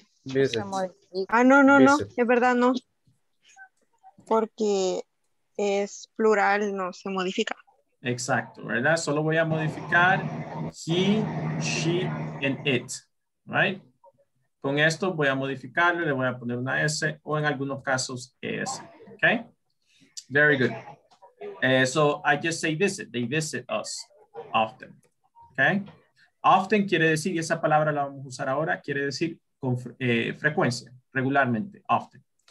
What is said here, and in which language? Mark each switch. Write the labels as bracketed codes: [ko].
[es] ¿Por qué? Se modifica. Ah, no, es verdad, no. Porque es plural, no se modifica. Exacto, ¿verdad? Solo voy a modificar [en] he, she, and it, right? [es] Con esto voy a modificarlo, le voy a poner una S o en algunos casos ES, okay? [en] Very good. So I just say visit, they visit us often, okay? [es] Often quiere decir, y esa palabra la vamos a usar ahora, quiere decir con frecuencia, regularmente, often.